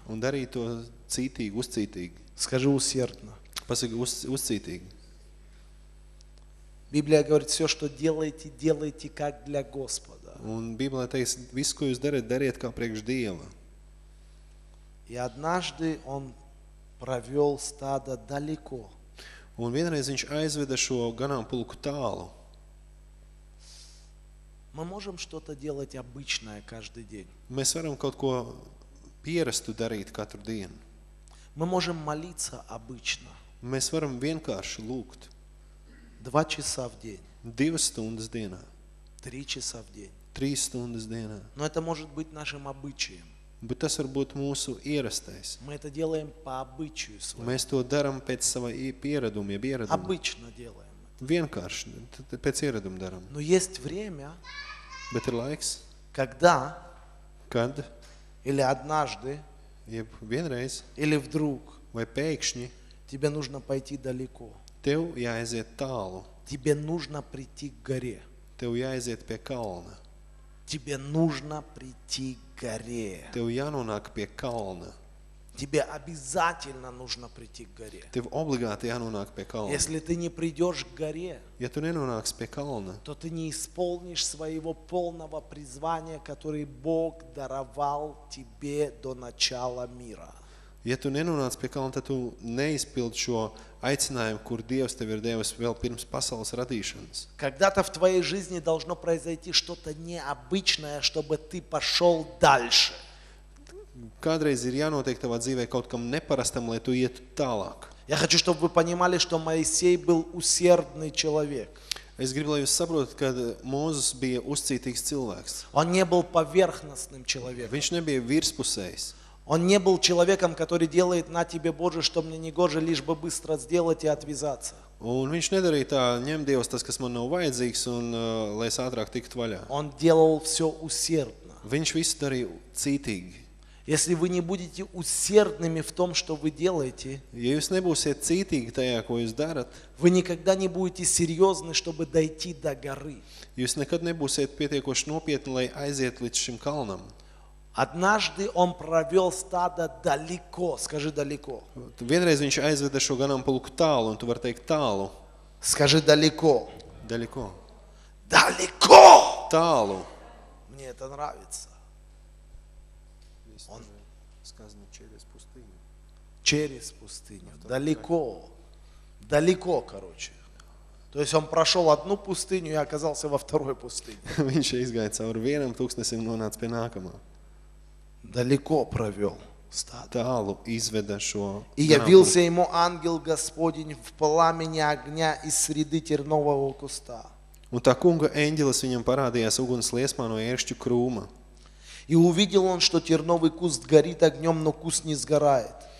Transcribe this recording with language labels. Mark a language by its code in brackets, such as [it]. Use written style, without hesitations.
[lv] Un darīja to cītīgi, uzcītīgi. [ru] Скажи усердно. [lv] Pasaka uzcītīgi. [ru] Библия говорит, все, что делаете, делайте как для Господа. [lv] Un Bībelē teiks, visu, ko jūs darāt, dariet kā priekš Dieva. [ru] И однажды он провел стадо далеко. [lv] Un vienreiz viņš aizveda šo ganāmpulku tālu. [ru] Мы можем что-то делать обычное каждый день. [lv] Mēs varam kaut ko pierastu darīt katru dienu. [ru] Мы можем молиться обычно. [lv] Mēs varam vienkārši lūgt. [ru] 2 часа в день. [lv] 2 stundas dienā. [ru] 3 часа в день. [lv] 3 stundas dienā. [ru] Но это может быть нашим обычаем. [lv] Bet tas var būt mūsu ierastais. [ru] Мы это делаем по обычаю своему. [lv] Mēs to darām pēc sava pieredumu, jeb ieredumu. [ru] Обычно делаем. [lv] Vienkārši, pēc ieredumu darām. [ru] Но есть время. [lv] Bet ir laiks. [ru] Когда? [lv] Kad? [ru] Или однажды. [lv] Jeb vienreiz. [ru] Или вдруг. [lv] Vai pēkšņi. [ru] Тебе нужно пойти далеко. [lv] Tev jāaiziet tālu. [ru] Тебе нужно прийти к горе. [lv] Tev jāaiziet pie kalna. [ru] Тебе нужно прийти к горе. [lv] Tev jānonāk pie kalna. [ru] Тебе обязательно нужно прийти к горе. [lv] Tev obligāti jānonāk pie kalna. [ru] Если ты не придешь к горе, [lv] ja tu nenonāksi pie kalna, [ru] то ты не исполнишь своего полного призвания, которое Бог даровал тебе до начала мира. [lv] Ja tu nenonāksi pie kalna, tad tu neizpildi šo aicinājumu, kur Dievs tev ir devis vēl pirms pasaules radīšanas. [ru] Когда-то в твоей жизни должно произойти что-то необычное, чтобы ты пошел дальше. [lv] Kādreiz ir jānotiek tavā dzīvē kaut kam neparastam, lai tu ietu tālāk. [ru] Я хочу, чтобы вы понимали, что Моисей был усердный человек. [lv] Es gribu, lai jūs saprotat, ka Mozus bija uzcītīgs cilvēks. [ru] Он не был поверхностным человеком. [lv] Viņš nebija virspusējs. [ru] Он не был человеком, который делает на тебе, Боже, что мне не гоже, лишь бы быстро сделать и отвязаться. [lv] Un viņš nedarīja tā, ņem Dievs tas, kas man nav vajadzīgs, un lai es ātrāk tiktu vaļā. [ru] Он делал всё усердно. [lv] Viņš visu darīja cītīgi. [ru] Если вы не будете усердными в том, что вы делаете, [lv] ja jūs nebūsiet cītīgi tajā, ko jūs darat, [ru] вы никогда не будете серьёзны, чтобы дойти до горы. [lv] Jūs nekad nebūsiet pietiekoši nopietni, lai aiziet līdz šim kalnam. [ru] Однажды он провёл стадо далеко, скажи далеко. [lv] Vienreiz viņš aizveda šo ganāmpulku tālu, un tu var teikt tālu. [ru] Скажи далеко. Далеко. Далеко. [lv] Tālu. [ru] Мне это нравится. Он сказано через пустыню. Через пустыню. Далеко. Далеко, короче. То есть он прошёл одну пустыню и оказался во второй пустыне. [lv] Viņš aizgāja cauri vienam tūkstnesim, nonāca pie nākamā. [ru] Далеко провёл стадо. [lv] Далу изведа шо. [ru] И явился ему ангел Господень в пламени огня из среды тернового куста. [lv] Un tā kunga eņģelis viņam parādījās uguns liesmā no ēršķu krūma. [ru] И увидел он, что терновый куст горит огнём, но куст не сгорает.